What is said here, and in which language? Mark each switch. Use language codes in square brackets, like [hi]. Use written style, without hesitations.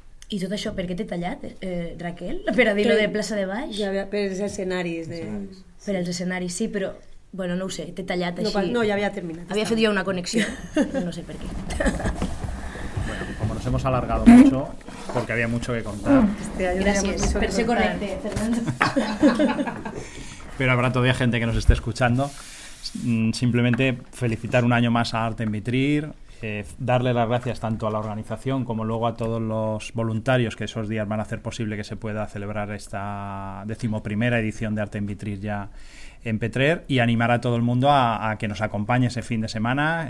[ca] I tot això, per què t'he tallat, Raquel? Per a dir-ho de Plaça de Baix? Ja, per els escenaris. Per als escenaris, sí, però, bueno, no ho sé, t'he tallat així. No, ja havia terminat. Havia fet jo una connexió, no sé per què. [es] Bueno, como nos hemos alargado mucho, porque había mucho que contar. [ca] Gràcies, per ser correcte, Fernando. [es] Pero habrá todavía gente que nos esté escuchando. Simplemente felicitar un año más a Arte en Vitrir. Darle las gracias tanto a la organización como luego a todos los voluntarios que esos días van a hacer posible que se pueda celebrar esta 11ª edición de Arte en Vitrir ya en Petrer, y animar a todo el mundo a que nos acompañe ese fin de semana.